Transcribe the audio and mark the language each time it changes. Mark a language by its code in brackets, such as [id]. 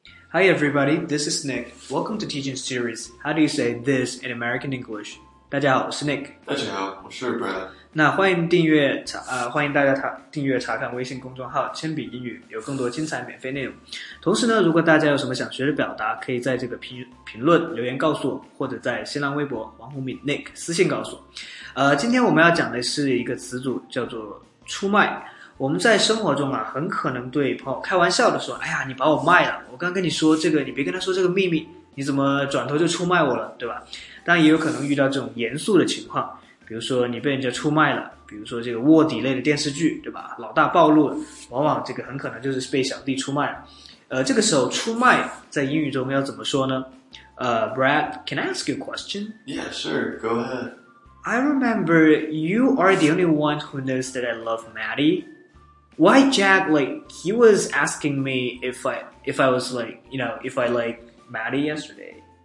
[en] Hi everybody, this is Nick. Welcome to Teaching Series. How do you say this in American English? [zh] 大家好，我是 Nick。大家好，我是 Brad。那欢迎订阅欢迎大家订阅查看微信公众号铅笔英语，有更多精彩免费内容。同时呢，如果大家有什么想学的表达，可以在这个评论留言告诉我，或者在新浪微博王宏敏 Nick 私信告诉我。今天我们要讲的是一个词组，叫做出卖。我们在生活中啊，很可能对朋友开玩笑的说，哎呀，你把我卖了，我刚跟你说这个，你别跟他说这个秘密，你怎么转头就出卖我了，对吧？但也有可能遇到这种严肃的情况，比如说你被人家出卖了，比如说这个卧底类的电视剧，对吧？老大暴露了，往往这个很可能就是被小弟出卖了。这个时候出卖在英语中要怎么说呢？ [en] Brad, can I ask you a question? Yeah, sure, go ahead. I remember you are the only one who knows that I love Maddie. Why Jack, like, he was asking me if I was, like, you know, if I liked Maddie yesterday.